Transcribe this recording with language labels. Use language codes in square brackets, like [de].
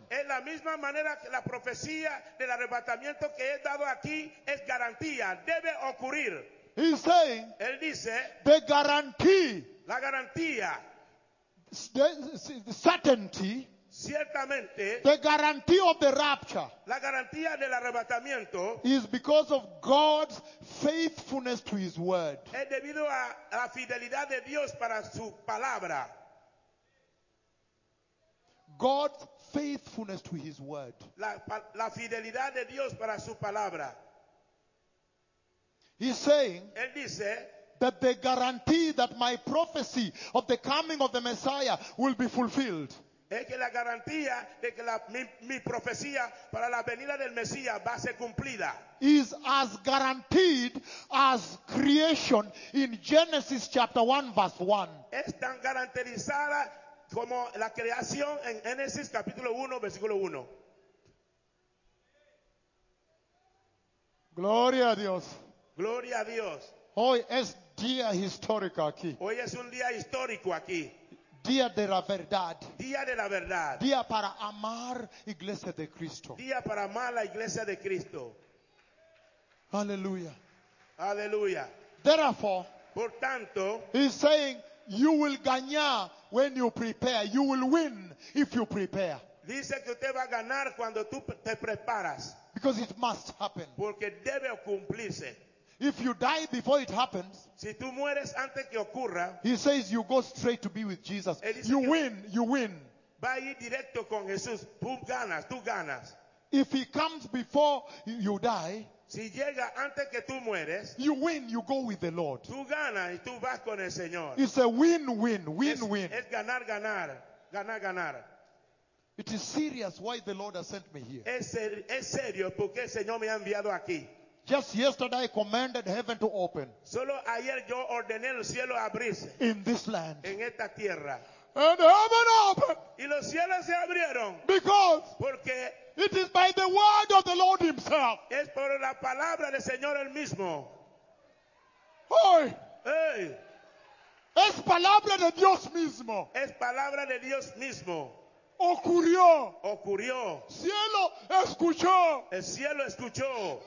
[es] En la misma manera que la profecía del arrebatamiento que he dado aquí es garantía, debe ocurrir. [en] He's saying, [es] él dice, [en] the guarantee, [es] la La garantía. [en] The certainty. [es] Ciertamente, [en] the guarantee of the rapture. [es] La garantía del arrebatamiento [en] is because of God's faithfulness to his word. [es] Es debido a la fidelidad de Dios para su palabra. [en] God's faithfulness to his word. [es] La fidelidad de Dios para su palabra. [en] He's saying, [es] él dice, [en] that the guarantee that my prophecy of the coming of the Messiah will be fulfilled. [es] Es que la garantía de que mi profecía para la venida del Mesías va a ser cumplida. [en] Is as guaranteed as creation in Genesis chapter 1 verse 1. [es] Es tan garantizada como la creación en Génesis capítulo 1 versículo 1. Gloria a Dios. Gloria a Dios. Hoy es día histórico aquí. Hoy es un día histórico aquí. Día de la verdad. Día de la verdad. Día para amar Iglesia de Cristo. Día para amar la Iglesia de Cristo. Aleluya. Aleluya. [en] Therefore, [es] por tanto, [en] he's saying, you will ganar when you prepare. You will win if you prepare. [es] Dice que usted va a ganar cuando tú te preparas. [en] Because it must happen. [es] Porque debe cumplirse. [en] If you die before it happens, [es] si tú mueres antes que ocurra, [en] he says you go straight to be with Jesus. You win, you win. [es] Va a ir directo con Jesús. Tú ganas, tú ganas. [en] If he comes before you die, [es] si llega antes que tú mueres, [en] you win, you go with the Lord. [es] Tú ganas y tú vas con el Señor. [en] It's a win-win, win-win. [es] Es ganar, ganar, ganar, ganar. [en] It is serious why the Lord has sent me here. [es] Es serio porque el Señor me ha enviado aquí. [en] Just yesterday I commanded heaven to open. [es] Solo ayer yo ordené el cielo abrirse. [en] In this land. [es] En esta tierra. [en] And heaven opened. [es] Y los cielos se abrieron. [en] Because. [es] Porque. [en] It is by the word of the Lord himself. [es] Es por la palabra del Señor el mismo. Hoy. Hey. Es palabra de Dios mismo. Es palabra de Dios mismo. Ocurrió. Ocurrió. Cielo escuchó. El cielo escuchó.